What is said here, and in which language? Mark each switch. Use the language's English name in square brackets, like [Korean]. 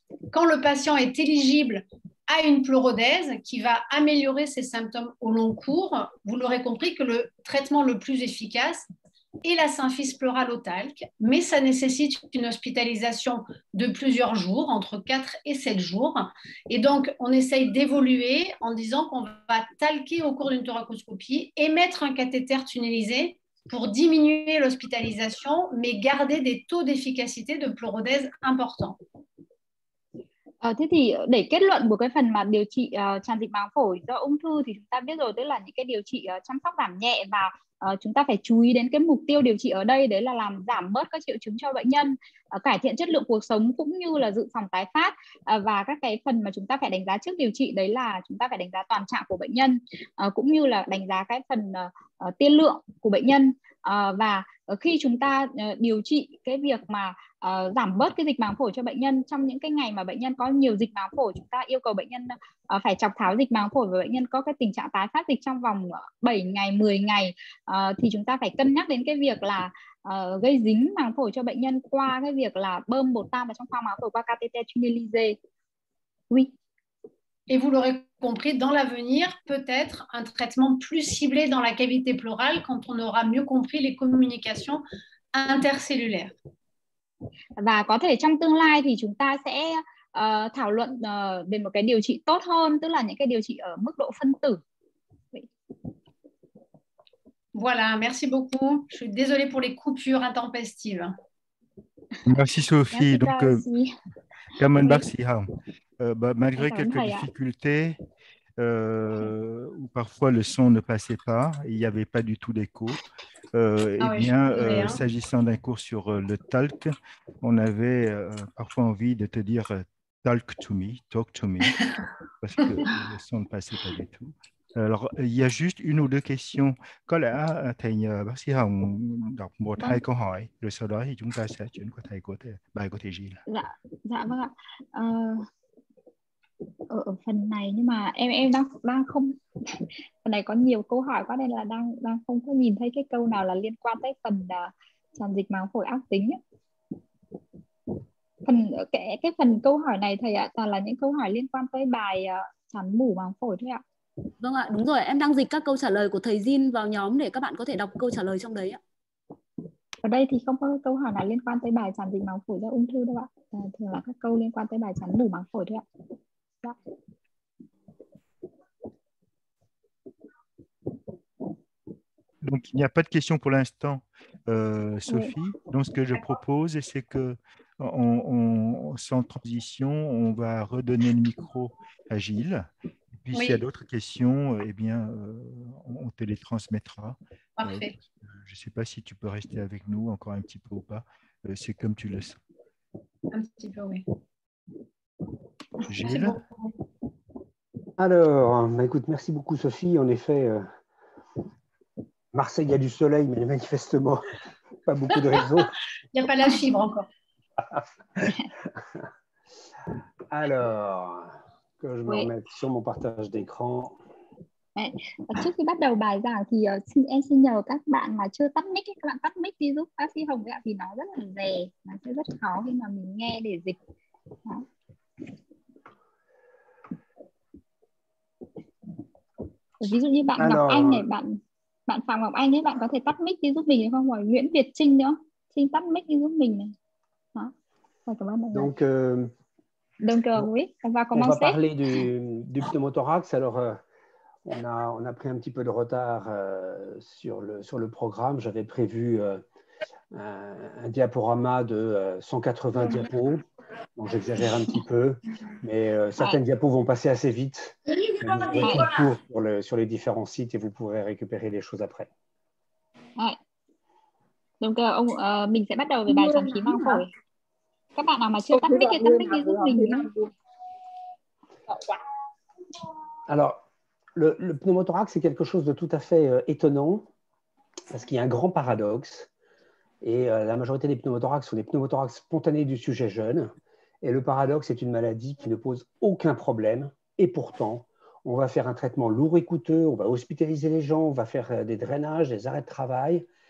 [French] Quand le patient est éligible à une pleurodèse qui va améliorer ses symptômes au long cours, vous l'aurez compris que le traitement le plus efficace est la symphyse pleurale au talc, mais ça nécessite une hospitalisation de plusieurs jours, entre 4 et 7 jours. Et donc, on essaye d'évoluer en disant qu'on va talquer au cours d'une thoracoscopie et mettre un cathéter tunnelisé pour diminuer l'hospitalisation, mais garder des taux d'efficacité de pleurodèse importants. [Vietnamese] Thế thì để kết luận của cái phần mà điều trị tràn dịch màng phổi do ung thư thì chúng ta biết rồi, tức là những cái điều trị chăm sóc giảm nhẹ và chúng ta phải chú ý đến cái mục tiêu điều trị ở đây, đấy là làm giảm bớt các triệu chứng cho bệnh nhân, cải thiện chất lượng cuộc sống cũng như là dự phòng tái phát. Và các cái phần mà chúng ta phải đánh giá trước điều trị, đấy là chúng ta phải đánh giá toàn trạng của bệnh nhân, cũng như là đánh giá cái phần tiên lượng của bệnh nhân. Và khi chúng ta điều trị cái việc mà giảm bớt cái dịch màng phổi cho bệnh nhân, trong những cái ngày mà bệnh nhân có nhiều dịch màng phổi, chúng ta yêu cầu bệnh nhân phải chọc tháo dịch màng phổi, và bệnh nhân có cái tình trạng tái phát dịch trong vòng 7 ngày, 10 ngày, thì chúng ta phải cân nhắc đến cái việc là gây dính màng phổi cho bệnh nhân qua cái việc là bơm bột tan vào trong khoang màng phổi qua catheter tunnelisé. [French] Oui. Et vous l'aurez compris, dans l'avenir, peut-être un traitement plus ciblé dans la cavité pleurale quand on aura mieux compris les communications intercellulaires. [Vietnamese] Và có thể trong tương lai thì chúng ta sẽ thảo luận về một cái điều trị tốt hơn, tức là những cái điều trị ở mức độ phân tử. [French] Voilà, merci beaucoup. Je suis désolée pour les coupures intempestives. Merci Sophie. Merci. Donc, comme un bac si hard. Malgré quelques difficultés, où parfois le son ne passait pas, il n'y avait pas du tout d'écho, s'agissant d'un cours sur le talc, on avait parfois envie de te dire [English] talk to me, talk to me, [French] parce que le son ne passait pas du tout. Alors, il y a juste une ou deux questions. [Vietnamese] Quand là, thầy nhờ bác sĩ Hồng đọc một hai câu hỏi, rồi sau đó thì chúng ta sẽ chuyển qua thầy của thầy, bài của thầy Jean. Dạ, vâng ạ. Ở phần này, nhưng mà em đang không, phần này có nhiều câu hỏi quá nên là đang không có nhìn thấy cái câu nào là liên quan tới phần tràn dịch màng phổi ác tính ấy. Phần cái phần câu hỏi này thầy ạ, toàn là những câu hỏi liên quan tới bài tràn mủ màng phổi thôi ạ. Vâng ạ, đúng rồi, em đang dịch các câu trả lời của thầy Jin vào nhóm để các bạn có thể đọc câu trả lời trong đấy ạ. Ở đây thì không có câu hỏi nào liên quan tới bài tràn dịch màng phổi do ung thư đâu ạ, thường là các câu liên quan tới bài tràn mủ màng phổi thôi ạ. [French] Donc il n'y a pas de questions pour l'instant, Sophie. Oui. Donc ce que je propose, c'est que sans transition, on va redonner le micro à Gilles. Et puis oui. S'il y a d'autres questions, eh bien, on te les transmettra. Parfait. Je ne sais pas si tu peux rester avec nous encore un petit peu ou pas. C'est comme tu le sens. Un petit peu, oui. Gilles. Alors, bah écoute, merci beaucoup Sophie. En effet, Marseille, il y a du soleil, mais manifestement, pas beaucoup de réseau. Il n'y a pas la fibre encore. Alors, que je me remette sur mon partage d'écran. [Vietnamese] Trước khi bắt đầu bài giảng thì em xin nhờ các bạn mà chưa tắt mic, các bạn tắt mic đi giúp bác sĩ Hồng vậy, vì nó rất là rè, nó sẽ rất khó khi mà mình nghe để dịch. Ví dụ như bạn Ngọc Anh này, bạn Phạm Ngọc Anh ấy, bạn có thể tắt mic đi giúp mình không? Hoặc Nguyễn Việt Trinh nữa, Trinh tắt mic đi giúp mình này. Đó. [French] Donc oui, on va commencer. On va parler du pneumothorax. Alors on a pris un petit peu de retard sur le programme. J'avais prévu un diaporama de 180 diapos. Donc j'exagère un petit peu, mais certaines diapos vont passer assez vite. Sur les différents sites et vous pourrez récupérer les choses après. Ouais. [Vietnamese] Donc mình sẽ bắt đầu với bài tràn khí màng phổi. Các bạn nào mà chưa tắt mic thì tắt mic đi giúp mình. [French] Alors, le pneumothorax c'est quelque chose de tout à fait étonnant parce qu'il y a un grand paradoxe. Et la majorité des pneumothorax sont des pneumothorax spontanés du sujet jeune. Et le paradoxe est une maladie qui ne pose aucun problème. Et pourtant, on va faire un traitement lourd et coûteux, on va hospitaliser les gens, on va faire des drainages, des arrêts de travail.